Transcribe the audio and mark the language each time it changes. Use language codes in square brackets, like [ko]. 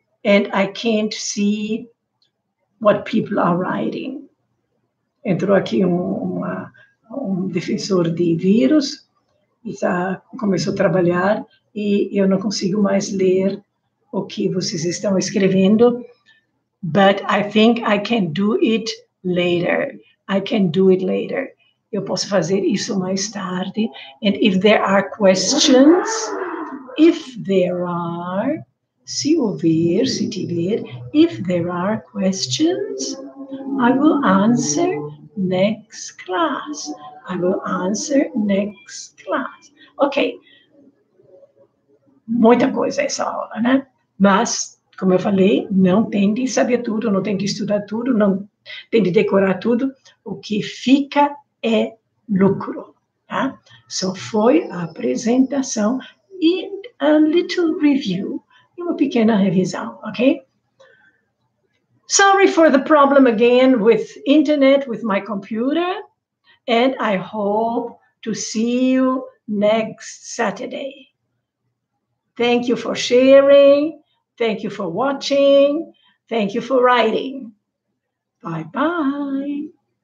[en] And I can't see what people are writing. [pt] Entrou aqui um defensor de vírus e já começou a trabalhar e eu não consigo mais ler o que vocês estão escrevendo. [en] But I think I can do it later. I can do it later. [pt] Eu posso fazer isso mais tarde. [en] And if there are questions, if there are... [pt] Se houver, se tiver, [en] if there are questions, I will answer next class. I will answer next class. Ok. [pt] Muita coisa essa aula, né? Mas, como eu falei, não tem de saber tudo, não tem de estudar tudo, não tem de decorar tudo. O que fica é lucro. Tá? Só foi a apresentação e [en] a little review, [pt] uma pequena revisão, ok? [en] Sorry for the problem again with internet, with my computer, and I hope to see you next Saturday. Thank you for sharing. Thank you for watching. Thank you for writing. Bye-bye.